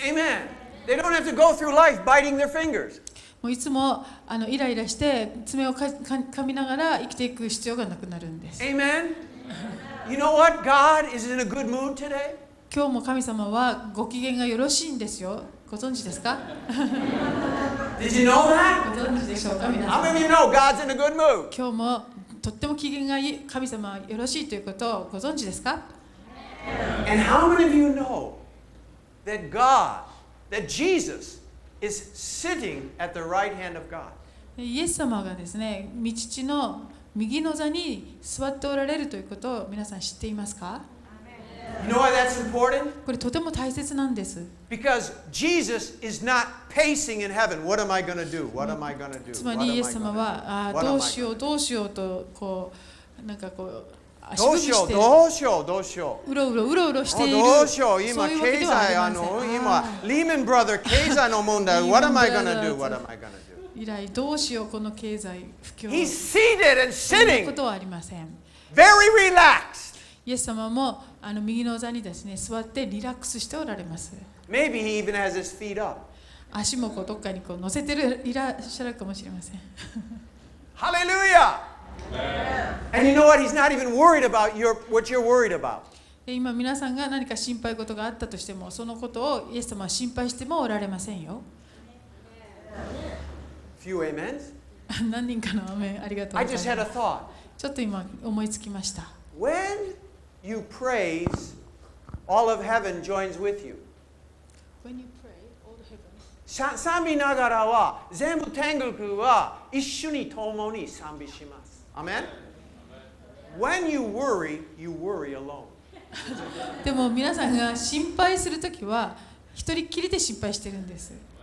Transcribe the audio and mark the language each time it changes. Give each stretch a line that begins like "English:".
English: Amen. They don't have to go through life biting their fingers.
Japanese: もういつもイライラして爪を噛みながら生きていく必要がなくなるんです。
English: Amen. You know what? God is in a good mood today.
Japanese: 今日も神様はご機嫌がよろしいんですよ。ご存知ですか？
English: Did you know that?
Japanese: ご存知でしょうか、皆さん。
English: How many of you know God's in a good mood?
Japanese: 今日もとっても機嫌がいい、神様よろしいということをご存知ですか？
English: And how many of you know that God, that Jesus is sitting at the right hand of God?
Japanese: イエス様がですね、御父の右の座に座っておられるということを皆さん知っていますか？
English: You know why that's important?
Japanese: これとても大切なんです。
English: Because Jesus is not pacing in heaven. What am I going to do? What am I going to do?
Japanese: つまりイエス様はどうしようどうしようとこうなんかこう足踏みして、どうしようどうしようどうしよう、うろうろうろうろしている。どうしよう今経済今リーマンブラザー経済の問題。
English: What am I going to do? What am I going to do?
Japanese: 以来どうしようこの経済不況。
English: He's seated and sitting.
Japanese: ことはありません。
English: Very relaxed.
Japanese: イエス様も右の座にですね座ってリラックスしておられます。
English: Maybe he even has his feet up.
Japanese: 足もこうどっかにこう乗せてるいらっしゃるかもしれません。
English: ハレルヤ。And you know what? He's not even worried about what you're worried about.
Japanese: 今皆さんが何か心配事があったとしても、そのことをイエス様は心配してもおられませんよ。
English: Few amens.
Japanese: 何人かのアメン、ありがとうございます。
English: I just had a thought.
Japanese: ちょっと今思いつきました。
English: When you praise, all of heaven joins with you. When you pray, all of heaven.
Japanese: 賛美ながらは全部天国は一緒に共に賛美します。
English: Amen? When you worry alone.
Japanese: でも皆さんが心配するときは一人きりで心配してるんです。